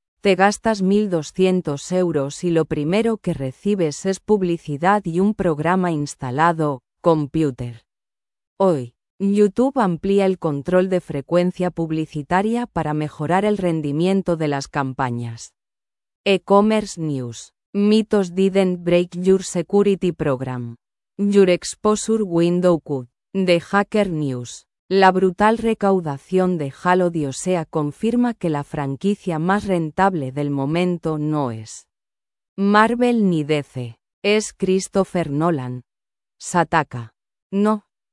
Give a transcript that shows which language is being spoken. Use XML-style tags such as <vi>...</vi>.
<es>Te gastas 1.200 euros y lo primero que recibes es publicidad y un programa instalado, Computer. Hoy, YouTube amplía el control de frecuencia publicitaria para mejorar el rendimiento de las campañas. E-commerce News.</es> <en>Mythos didn't break your security program. Your exposure window could. The Hacker News.</en> <es>La brutal recaudación de Halo de Osea confirma que la franquicia más rentable del momento no es Marvel ni DC. Es Christopher Nolan. Sataka. No.</es>